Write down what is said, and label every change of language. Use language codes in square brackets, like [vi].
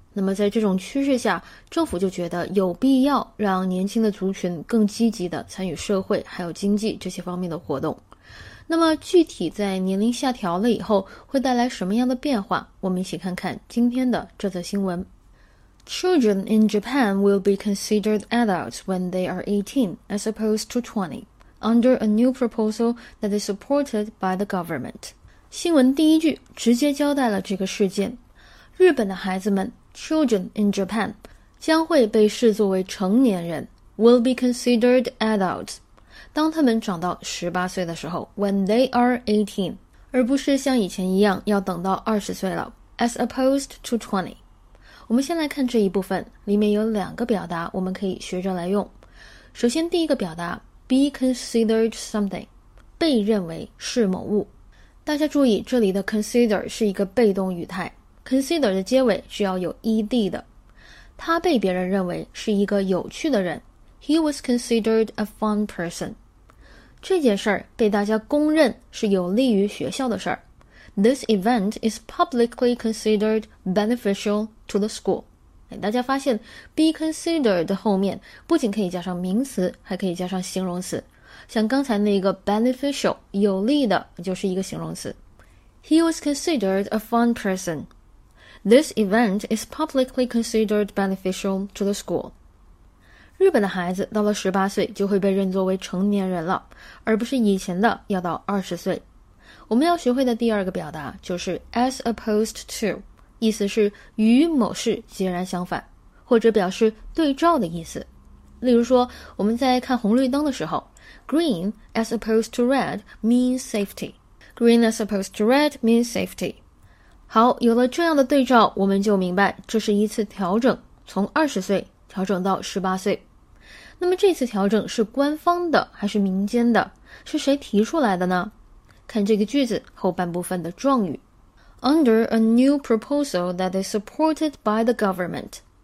[zh] 那么在这种趋势下，政府就觉得有必要让年轻的族群更积极地参与社会还有经济这些方面的活动。那么具体在年龄下调了以后会带来什么样的变化，我们一起看看今天的这则新闻。 [en] Children in Japan will be considered adults when they are 18 as opposed to 20 under a new proposal that is supported by the government. [zh] 新闻第一句直接交代了这个事件，日本的孩子们 Children in Japan 将会被视作为成年人， will be considered adults 当他们长到18岁的时候， when they are 18, 而不是像以前一样要等到20岁了， as opposed to 20. 我们先来看这一部分，里面有两个表达我们可以学着来用。首先第一个表达 be considered something, 被认为是某物。大家注意这里的 consider 是一个被动语态， consider 的结尾是要有 ed 的。他被别人认为是一个有趣的人， He was considered a fun person. 这件事儿被大家公认是有利于学校的事儿。 [en] This event is publicly considered beneficial to the school. [zh] 大家发现 be considered 后面不仅可以加上名词，还可以加上形容词。像刚才那个 beneficial, 有利的就是一个形容词。 [en] He was considered a fun person. This event is publicly considered beneficial to the school. [zh] 日本的孩子到了18岁就会被认作为成年人了，而不是以前的要到20岁。我们要学会的第二个表达就是 as opposed to, 意思是与某事截然相反，或者表示对照的意思。例如说，我们在看红绿灯的时候， green as opposed to red means safety. [en] Green as opposed to red means safety. [zh] 好，有了这样的对照，我们就明白这是一次调整，从20岁调整到18岁。那么这次调整是官方的还是民间的？是谁提出来的呢？看这个句子后半部分的状语。 [en] Under a new proposal that is supported by the government.